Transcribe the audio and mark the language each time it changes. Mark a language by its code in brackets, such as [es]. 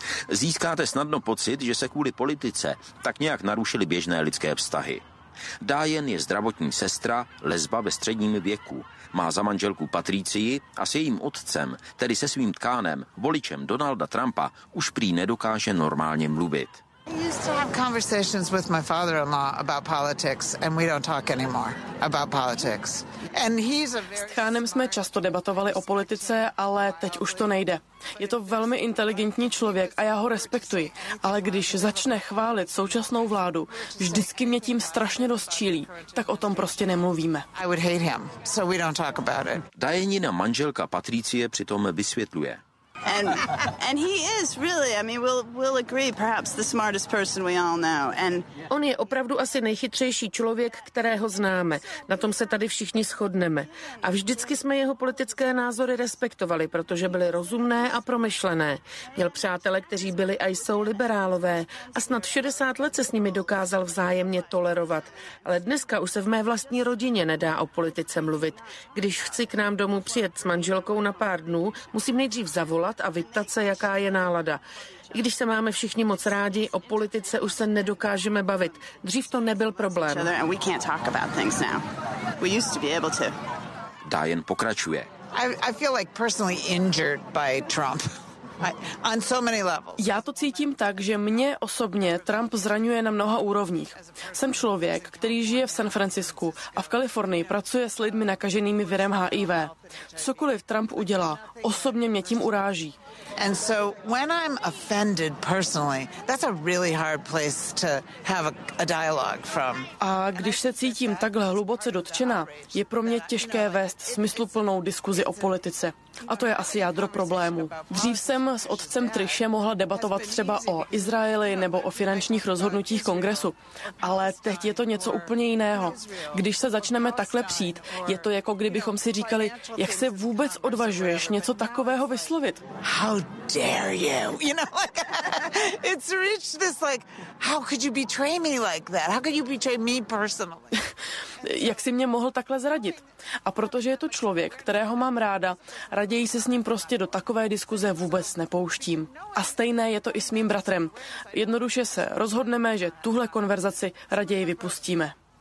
[cs] Získáte snadno pocit, že se kvůli politice tak nějak narušily běžné lidské vztahy. Diane je zdravotní sestra, lesba ve středním věku. Má za manželku Patricii a s jejím otcem, tedy se svým tkánem, voličem Donalda Trumpa, už prý nedokáže normálně mluvit. [en] I used to have conversations with my father-in-law about politics and we don't talk anymore about politics. And he's a very [cs] S tchánem jsme často debatovali o politice, ale teď už to nejde. Je to velmi inteligentní člověk a já ho respektuji, ale když začne chválit současnou vládu, vždycky mě tím strašně rozčílí, tak o tom prostě nemluvíme. [en] I would hate him, so we don't talk about it. [cs] Dianina manželka Patricie přitom vysvětluje. [en] And he is really, I mean, we'll agree, perhaps the smartest person we all know. And [cs] on je opravdu asi nejchytřejší člověk, kterého známe. Na tom se tady všichni shodneme. A vždycky jsme jeho politické názory respektovali, protože byly rozumné a promyšlené. Měl přátele, kteří byli a jsou liberálové, a snad 60 let se s nimi dokázal vzájemně tolerovat. Ale dneska už se v mé vlastní rodině nedá o politice mluvit. Když chci k nám domů přijet s manželkou na pár dnů, musím nejdřív zavolat a vyptat se, jaká je nálada. I když se máme všichni moc rádi, o politice už se nedokážeme bavit. Dřív to nebyl problém. Dian pokračuje. [en] I feel like personally injured by Trump. On so many levels. [cs] Já to cítím tak, že mě osobně Trump zraňuje na mnoha úrovních. Jsem člověk, který žije v San Francisku a v Kalifornii pracuje s lidmi nakaženými virem HIV. Cokoliv Trump udělá, osobně mě tím uráží. [en] And so when I'm offended personally, that's a really hard place to have a dialogue from. [cs] A když se cítím takhle hluboce dotčena, je pro mě těžké vést smysluplnou diskuzi o politice. A to je asi jádro problému. Dřív jsem s otcem Trishem mohla debatovat třeba o Izraeli nebo o finančních rozhodnutích kongresu. Ale teď je to něco úplně jiného. Když se začneme takhle přít, je to jako kdybychom si říkali, jak se vůbec odvažuješ něco takového vyslovit. [en] How dare you? You know, like, it's reached this, like, how could you betray me like that? How could you betray me personally? [cs] Jak si mě mohl takhle zradit? A protože je to člověk, kterého mám ráda, raději se s ním prostě do takové diskuze vůbec nepouštím. A stejné je to i s mým bratrem. Jednoduše se rozhodneme, že tuhle konverzaci raději vypustíme.